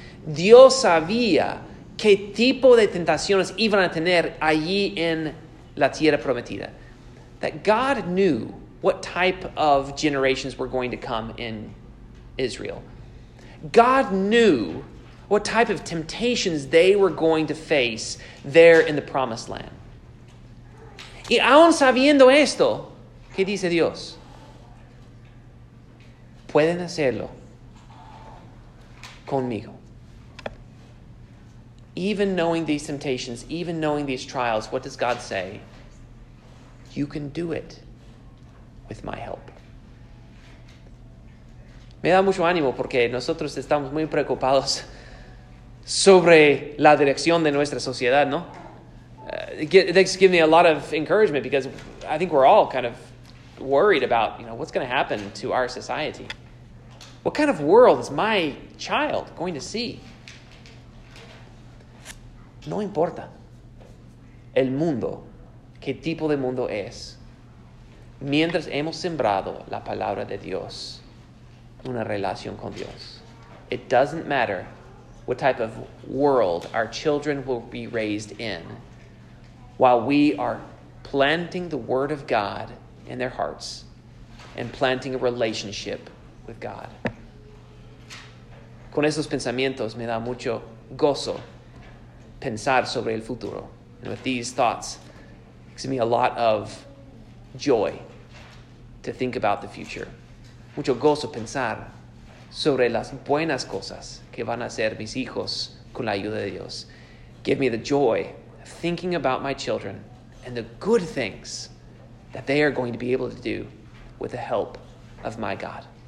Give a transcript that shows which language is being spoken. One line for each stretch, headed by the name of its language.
Spanish: Dios sabía qué tipo de tentaciones iban a tener allí en la tierra prometida.
English: That God knew what type of generations were going to come in Israel. God knew what type of temptations they were going to face there in the promised land.
Spanish: Y aun sabiendo esto, ¿qué dice Dios? Pueden hacerlo conmigo.
English: Even knowing these temptations, even knowing these trials, what does God say? You can do it with my help.
Spanish: Me da mucho ánimo porque nosotros estamos muy preocupados sobre la dirección de nuestra sociedad, ¿no?
English: It gives me a lot of encouragement because I think we're all kind of worried about, you know, what's going to happen to our society. What kind of world is my child going to see?
Spanish: No importa el mundo, qué tipo de mundo es, mientras hemos sembrado la palabra de Dios, una relación con Dios.
English: It doesn't matter what type of world our children will be raised in while we are planting the word of God in their hearts and planting a relationship with God.
Spanish: Con esos pensamientos me da mucho gozo pensar sobre el futuro.
English: And with these thoughts, it gives me a lot of joy to think about the future.
Spanish: Mucho gozo pensar sobre las buenas cosas que van a hacer mis hijos con la ayuda de Dios.
English: Give me the joy of thinking about my children and the good things that they are going to be able to do with the help of my God.